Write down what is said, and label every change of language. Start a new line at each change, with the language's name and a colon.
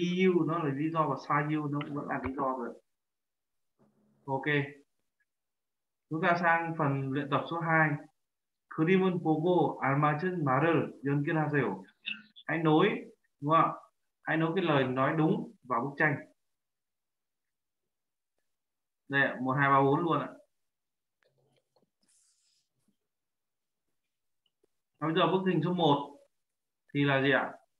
Vietnamese: EU nó là lý do và SIU nó cũng vẫn là lý do rồi. Ok. Chúng ta sang phần luyện tập số 2.
Korean: 그림은 보고 알맞은 말을 연결하세요.
Vietnamese: Hãy nối, đúng không? Hãy nối cái lời nói đúng vào bức tranh. Đây, 1, 2, 3, 4 luôn ạ. Bây giờ bức hình số 1 thì là gì ạ?